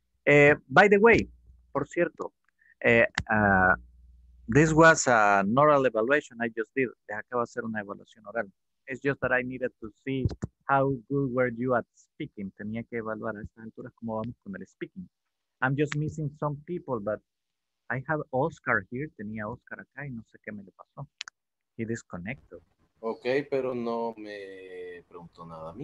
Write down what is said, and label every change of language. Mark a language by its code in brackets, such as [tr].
[en] By the way, [es] por cierto, [en] this was an oral evaluation I just did. [es] Acaba de hacer una evaluación oral. [en] It's just that I needed to see how good were you at speaking. [es] Tenía que evaluar a estas alturas cómo vamos con el speaking. [en] I'm just missing some people, but I have Oscar here. [es] Tenía Oscar acá y no sé qué me le pasó. [en] He disconnected. [es] Okay, pero no me preguntó nada a mí.